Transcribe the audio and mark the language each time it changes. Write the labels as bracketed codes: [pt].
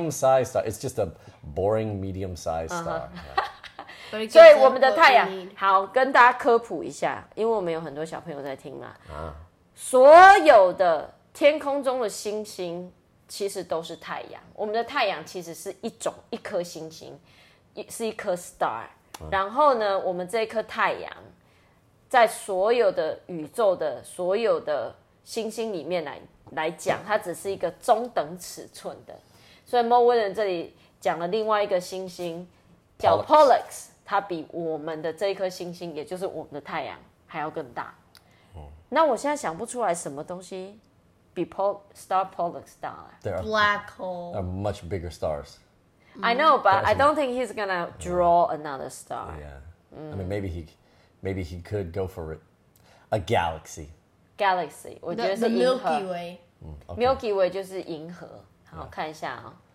[en] It's a medium-sized star. It's just a boring medium-sized star. [zh] 所以我们的太阳好跟大家科普一下因为我们有很多小朋友在听嘛、所有的天空中的星星其实都是太阳我们的太阳其实是一种一颗星星是一颗 star、然后呢我们这颗太阳在所有的宇宙的所有的星星里面来讲它只是一个中等尺寸的所以 Mo Willen 这里讲了另外一个星星叫 Pollux 它比我们的这一颗星星也就是我们的太阳还要更大、那我现在想不出来什么东西比 Star Pollux 大 [en] Black hole There are much bigger stars I know but I don't think he's gonna draw another star Yeah. I mean maybe he could go for it a galaxy [zh] Galaxy, 我觉得是银河。 [en] Milky Way. [zh] Milky Way 就是银河。好，看一下哦。